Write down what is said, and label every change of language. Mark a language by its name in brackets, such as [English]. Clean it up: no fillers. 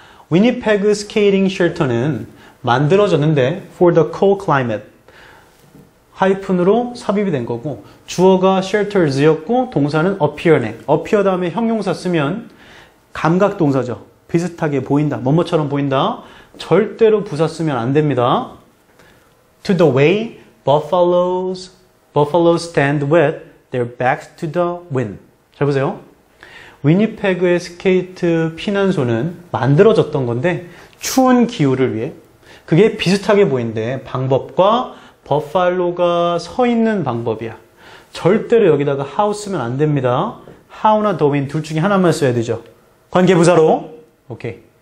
[English] Winnipeg Skating Shelter는 [Korean] 만들어졌는데 [English] for the cold climate. [Korean] 하이픈으로 삽입이 된 거고 주어가 shelters였고 동사는 appear네. appear 다음에 형용사 쓰면 감각동사죠. 비슷하게 보인다. 뭐뭐처럼 보인다. 절대로 부사 쓰면 안 됩니다. [English] To the way buffaloes stand with their backs to the wind. [Korean] 잘 보세요. 위니페그의 스케이트 피난소는 만들어졌던 건데 추운 기후를 위해 그게 비슷하게 보인대. 방법과 버팔로가 서 있는 방법이야. 절대로 여기다가 how 쓰면 안 됩니다. how나 the wind 둘 중에 하나만 써야 되죠. 관계부사로. 오케이.